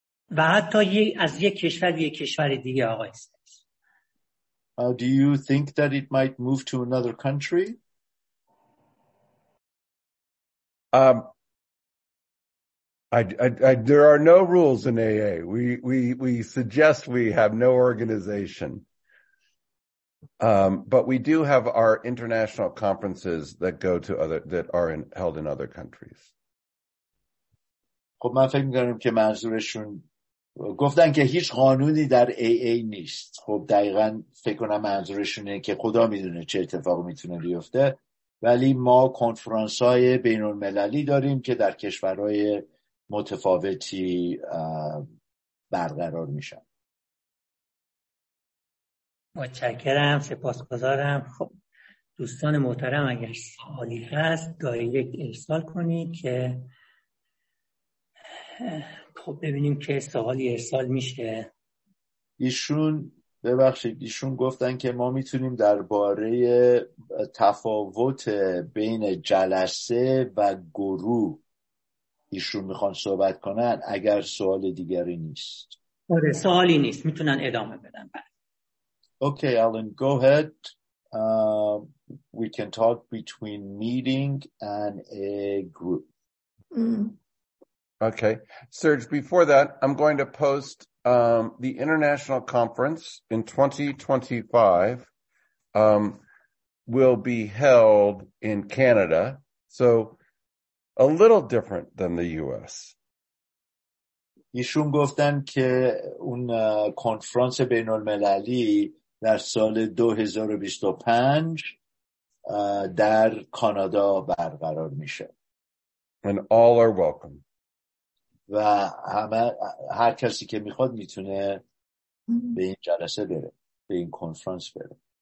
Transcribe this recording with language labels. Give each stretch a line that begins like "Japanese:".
Persian: و حتی از یک کشور به یک کشور دیگه. آقای
English: Do you think that it might move to another country? I there are no rules in AA. We suggest we have no organization. But we do have our international conferences that are held in other countries.
Persian: خب من فکر می‌کنم که منظورشون گفتن که هیچ قانونی در AA نیست. خب دقیقاً فکر کنم منظورشون اینه که خدا میدونه چه اتفاقی میتونه بیفته، ولی ما کنفرانس‌های بین‌المللی داریم که در کشورهای متفاوتی برقرار میشن. متشکرم، سپاسگزارم. خب دوستان محترم اگر سوالی هست داری یک ارسال کنید که ببینیم که سوالی ارسال میشه. ایشون ببخشید، ایشون گفتن که ما میتونیم درباره تفاوت بین جلسه و گروه ایشون میخوان صحبت کنن اگر سوال دیگری نیست. آره سوالی نیست، میتونن ادامه بدن.
English: Okay, Alan, go ahead. We can talk between meeting and a group. Okay. Serge, before that, I'm going to post the international conference in 2025 will be held in Canada. So a little different than the U.S.
Persian: ایشون گفتن که اون کنفرانس بین المللی در سال 2025 در کانادا برقرار میشه.
English: And all are welcome.
Persian: و همه هر کسی که میخواد میتونه به این جلسه بره، به این کنفرانس بره.